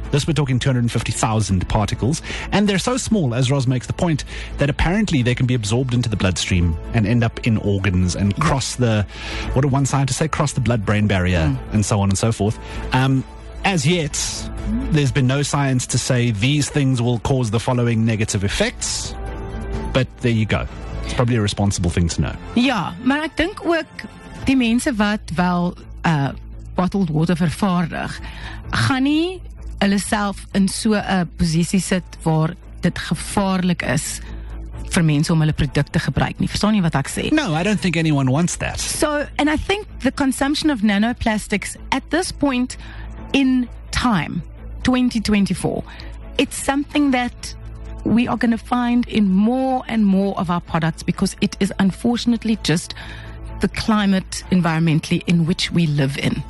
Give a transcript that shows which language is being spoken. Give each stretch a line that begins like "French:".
English: This, we're talking 250,000 particles. And they're so small, as Roz makes the point, that apparently they can be absorbed into the bloodstream and end up in organs and cross the, what did one scientist say, cross the blood-brain barrier and so on and so forth. As yet, there's been no science to say these things will cause the following negative effects. But there you go. It's probably a responsible thing to know.
Afrikaans: Yeah, maar ek dink ook die mense wat wel bottled water vervaardig, gaan nie hulle self in so 'n posisie sit waar dit gevaarlik is vir mense om hulle produkte gebruik nie. Verstaan jy wat ek sê?
English: No, I don't think anyone wants that. So, and I think the consumption of nanoplastics at this point in time, 2024, it's something that we are going to find in more and more of our products, because it is unfortunately just the climate environmentally in which we live in.